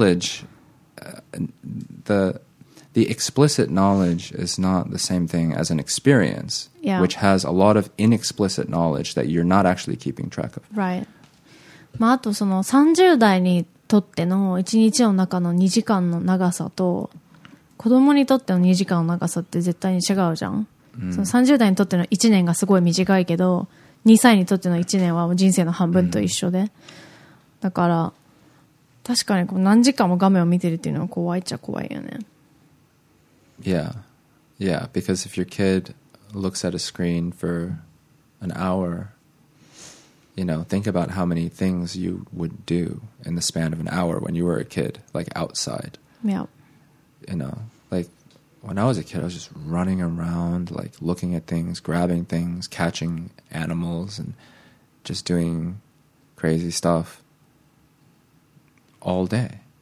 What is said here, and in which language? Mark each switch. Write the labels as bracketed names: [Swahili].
[English] The explicit knowledge is not the same thing as an experience, which has a lot of inexplicit knowledge that you're not actually keeping track of. Right. [Japanese] まあ、あとその30代にとっての1日の中の2時間の長さと子供にとっての2時間の長さって絶対に違うじゃん。その30代にとっての1年がすごい短いけど、2歳にとっての1年は人生の半分と一緒で。だから、確かにこう何時間も画面を見てるっていうのは怖いっちゃ怖いよね。 [English] Yeah, because if your kid looks at a screen for an hour, you know, think about how many things you would do in the span of an hour when you were a kid, like outside. Yeah. You know, like when I was a kid, I was just running around, like looking at things, grabbing things, catching animals, and just doing crazy stuff all day.